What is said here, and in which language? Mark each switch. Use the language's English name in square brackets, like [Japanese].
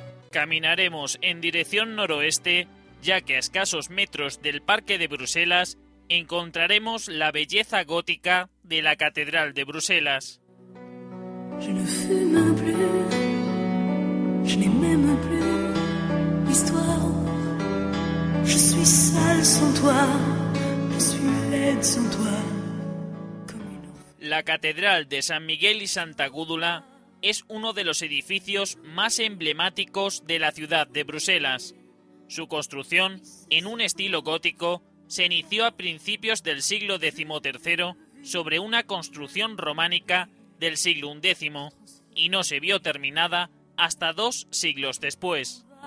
[Spanish] Caminaremos en dirección noroeste, ya que a escasos metros del Parque de Bruselas encontraremos la belleza gótica de la Catedral de Bruselas. [French] Je ne fume plus, je n'ai même plus histoire. Je suis sale sans toi, je suis laide sans toi. [Spanish] La Catedral de San Miguel y Santa Gúdula es uno de los edificios más emblemáticos de la ciudad de Bruselas. Su construcción, en un estilo gótico, se inició a principios del siglo XIII sobre una construcción románica del siglo XI y no se vio terminada hasta dos siglos después.